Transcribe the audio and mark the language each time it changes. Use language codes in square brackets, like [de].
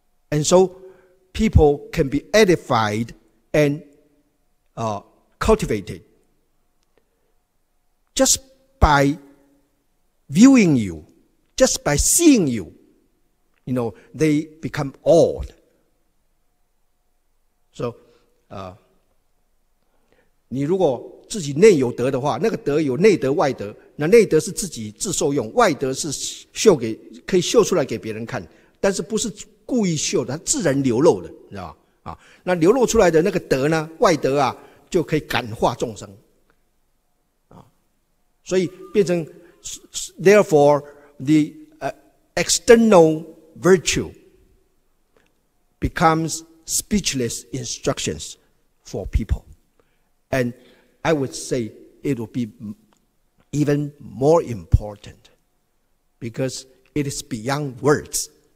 [en] And so people can be edified and cultivated just by viewing you, just by seeing you. You know, they become awed. [zh] So, 你如果自己内有德的话，那个德有内德外德，那内德是自己自受用，外德是秀给，可以秀出来给别人看，但是不是故意秀的，它自然流露的，你知道吧？那流露出来的那个德呢，外德啊，就可以感化众生，所以变成 [en] therefore the external virtue becomes speechless instructions for people, and I would say it will be even more important because it is beyond words.